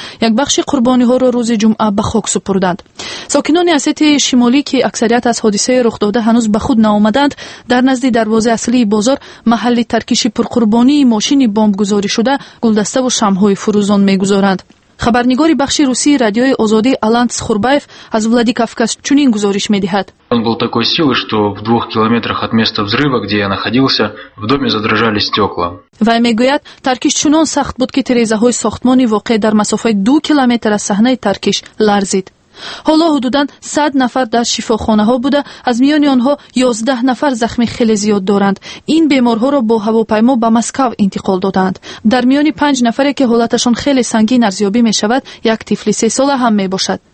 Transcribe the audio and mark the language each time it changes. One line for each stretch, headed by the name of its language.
Persian: یک بخش قربانی ها را روز جمعه به خاک سپردند. ساکنان اسیتیای شمالی که اکثریت از حادثه رخ داده هنوز به خود نیامدند، در نزد دروازه اصلی بازار محل ترکش پرقربانی ماشین بمب گذاری شده گلدسته و شمع های فروزان میگذارند. خبرنگاری بخش روسی رادیوی آزادی آلان خوربایف از ولادیکاوکاز چنین گزارش می‌دهد.
Russian: Он был такой силы, что в 2 километрах от места взрыва, где я находился, в доме задрожали стекла.
Persian: و می‌گوید ترکش چنان سخت بود که تریزه‌های ساختمان واقع در مسافه 2 کیلومتر از صحنه ترکش لرزید. حالا حدوداً 100 نفر در شفاخانه‌ها بوده، از میان آنها 11 نفر زخم خیلی زیاد دارند. این بیمارها را با هواپیما به مسکو انتقال دادند. در میان 5 نفری که حالتشان خیلی سنگین ارزیابی می‌شود، یک طفل 3 ساله هم می‌باشد.